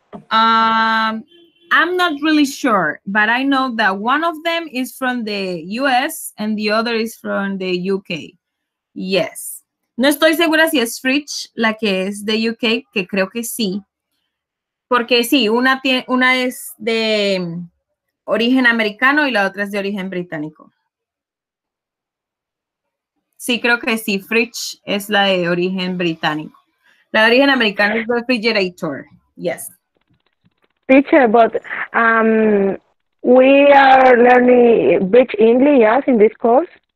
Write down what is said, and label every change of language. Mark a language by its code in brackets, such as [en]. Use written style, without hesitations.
[en] I'm not really sure, but I know that one of them is from the US and the other is from the UK. Yes. [es] No estoy segura si es fridge la que es de UK, que creo que sí. Porque sí, una es de origen americano y la otra es de origen británico. Sí, creo que sí, fridge es la de origen británico. La de origen americano es refrigerator, yes. [en] Teacher, but we are learning British English, yes, in this course.